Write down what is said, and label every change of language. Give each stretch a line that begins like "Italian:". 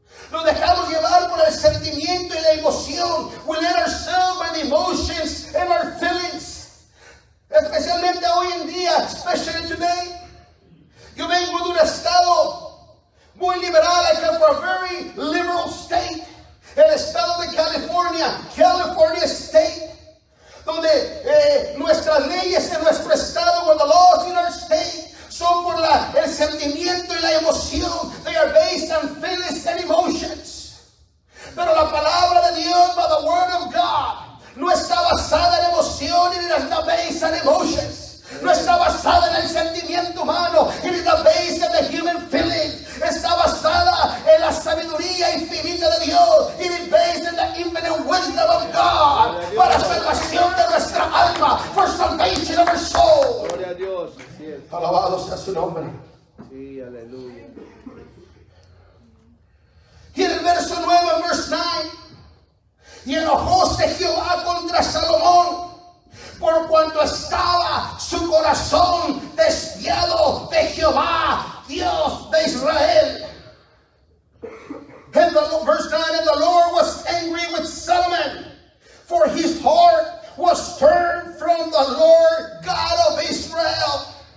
Spanish: Nos dejamos llevar por el sentimiento y la emoción.
English: We let ourselves by the emotions and our feelings.
Spanish: Especialmente hoy en día,
English: especially today.
Spanish: Yo vengo de un estado muy liberal.
English: I come from a very liberal state.
Spanish: El estado de California.
English: California state.
Spanish: Donde nuestras leyes en nuestro estado,
English: where the laws in our state,
Spanish: son por la, el sentimiento y la emoción.
English: They are based on feelings and emotions.
Spanish: Pero la palabra de Dios,
English: by the word of God,
Spanish: no está basada en emoción y no está basada en emotions. No está basada en el sentimiento humano.
English: It is the base of the human feeling.
Spanish: Está basada en la sabiduría infinita de Dios.
English: It is based in the infinite wisdom of God.
Spanish: Para salvación de nuestra alma.
English: For salvation of our soul.
Spanish: Gloria a Dios. Sí, alabado sea su nombre. Sí, aleluya. Y en el verso 9, en
English: verse 9.
Spanish: Y enojóse Jehová contra Salomón. Por cuanto estaba su corazón desviado de Jehová, Dios de Israel.
English: And the, verse 9, and the Lord was angry with Solomon, for his heart was turned from the Lord God of Israel.